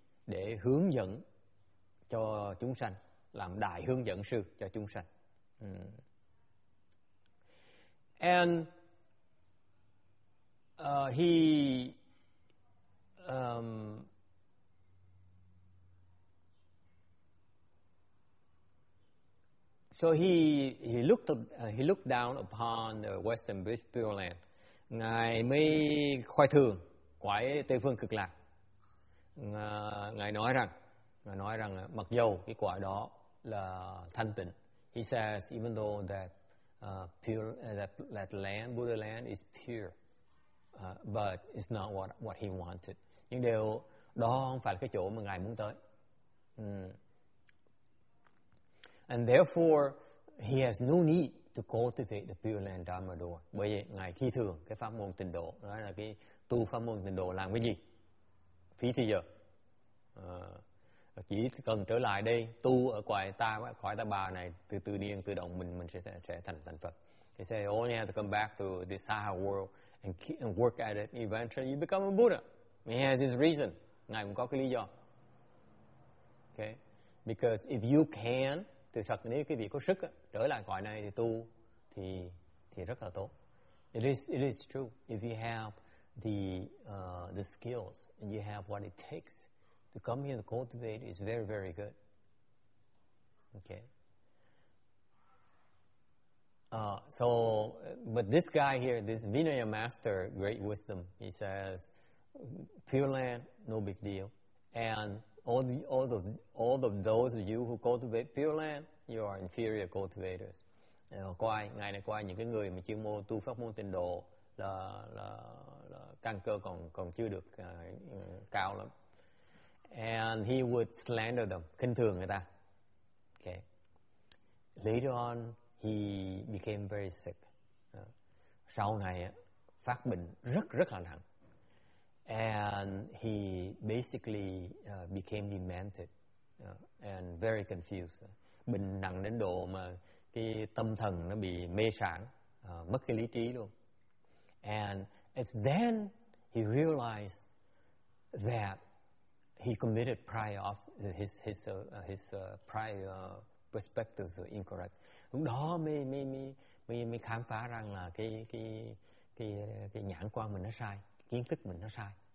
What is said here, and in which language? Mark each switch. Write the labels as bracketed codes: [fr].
[vi] Để hướng dẫn cho chúng sanh, làm đại hướng dẫn sư cho chúng sanh. [en] And he looked down upon the Western Pure Land. [vi] Ngài mới khoai thường quả Tây phương cực lạc. Ngài nói rằng mặc dù cái quả đó là thanh tịnh, [en] He says, even though that pure that land, Buddha land, is pure, but it's not what he wanted. [vi] Nhưng điều đó không phải là cái chỗ mà ngài muốn tới. [en] And therefore, he has no need to cultivate the pure land Dharma door. [vi] Bởi vậy, ngài khi thường cái pháp môn tịnh độ, đó là cái tu pháp môn tịnh độ làm cái gì? Phí thời giờ. Chỉ cần trở lại đây tu ở khỏi ta bà này, từ tự nhiên tự động mình sẽ thành Phật. [en] He said, you only have to come back to the Saha world and work at it. Eventually, you become a Buddha. He has his reason. [vi] Ngài cũng có cái lý do. [en] Okay, because if you can, [vi] thực sự nếu quý vị có sức trở lại khỏi này thì tu thì rất là tốt. [en] It is true. If you have the skills and you have what it takes to come here to cultivate, is very, very good. Okay. But this guy here, this Vinaya master, great wisdom, he says, pure land, no big deal. And all of those of you who cultivate pure land, you are inferior cultivators. [vi] Quay, ngày này quay, những cái người mà chuyên môn tu pháp môn tịnh độ là căn cơ còn chưa được cao lắm. [en] And he would slander them, [vi] khinh thường người ta. [en] Okay. Later on, he became very sick. [vi] Sau này phát bệnh rất rất là nặng. [en] And he basically became demented and very confused. [vi] Bệnh nặng đến độ mà cái tâm thần nó bị mê sảng, mất cái lý trí luôn. [en] And it's then he realized that he committed prior of his prior perspectives were incorrect. [vi] Lúc đó mới khám phá rằng là cái nhãn quan mình nó sai, kiến thức mình nó sai.